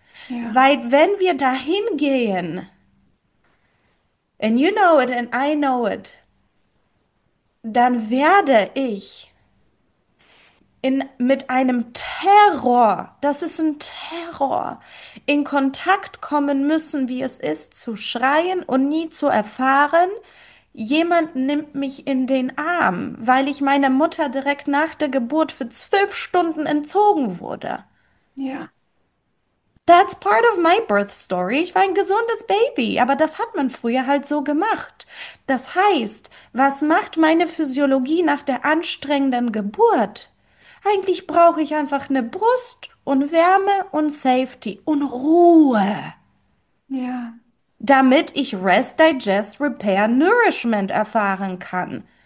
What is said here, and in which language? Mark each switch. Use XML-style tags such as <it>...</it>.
<de>Weil wenn wir dahin gehen,</de> <en>and you know it and I know it,</en> <de>dann werde ich mit einem Terror, das ist ein Terror, in Kontakt kommen müssen, wie es ist, zu schreien und nie zu erfahren, jemand nimmt mich in den Arm, weil ich meiner Mutter direkt nach der Geburt für 12 Stunden entzogen wurde.</de> <en>That's part of my birth story.</en> <de>Ich war ein gesundes Baby, aber das hat man früher halt so gemacht. Das heißt, was macht meine Physiologie nach der anstrengenden Geburt? Eigentlich brauche ich einfach eine Brust und Wärme und Safety und Ruhe, damit ich</de> <en>Rest, Digest, Repair, Nourishment</en> <de>erfahren kann.</de>